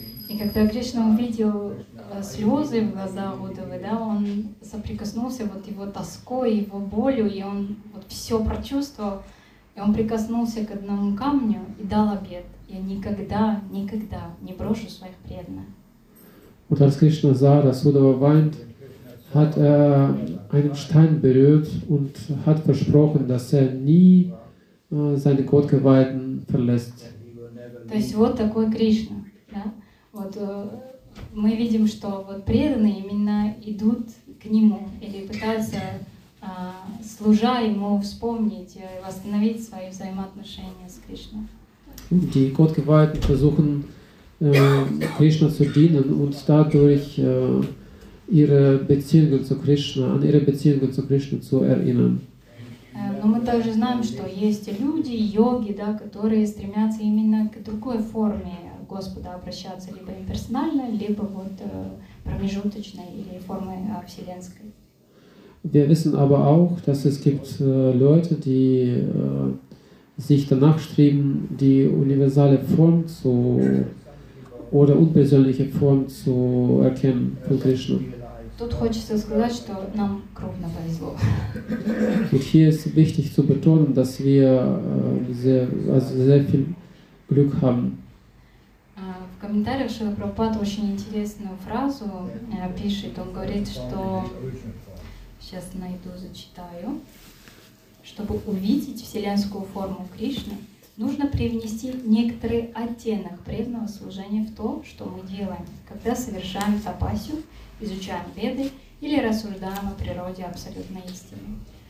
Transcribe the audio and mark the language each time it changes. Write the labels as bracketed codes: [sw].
[ru] И когда Кришна увидел слезы в глазах Удавы, да, он соприкоснулся вот его тоской, его болью, и он вот все прочувствовал, и он прикоснулся к одному камню и дал обет: я никогда, никогда не брошу своих преданных. [de] Und als Krishna sah, dass Udava weint, hat er einen Stein berührt und hat versprochen, dass er nie seine Gottgeweihten verlässt. [ru] То есть вот такой Кришна, да? Вот мы видим, что вот преданные именно идут к нему или пытаются служа ему вспомнить и восстановить свои взаимоотношения с Кришной. [de] Die Gottgeweihten versuchen Krishna zu dienen und dadurch ihre Beziehungen zu Krishna, an ihre Beziehungen zu Krishna zu erinnern. [ru] Но мы также знаем, что есть люди, йоги, да, которые стремятся именно к другой форме Господа обращаться, либо имперсонально, либо вот промежуточной или формой вселенской. [de] Wir wissen aber auch, dass es gibt Leute, die sich danach streben, die universale Form zu oder unpersönliche Form zu erkennen von Krishna. [ru] Тут хочется сказать, что нам кровно повезло. [de] Und hier ist wichtig zu betonen, dass wir sehr viel Glück haben. [ru] В комментариях Шрила Прабхупада очень интересную фразу пишет. Он говорит, что сейчас найду, зачитаю. Чтобы увидеть вселенскую форму Кришны, нужно привнести некоторый оттенок преданного служения в то, что мы делаем, когда совершаем тапасю, изучаем веды или рассуждаем о природе абсолютной истины.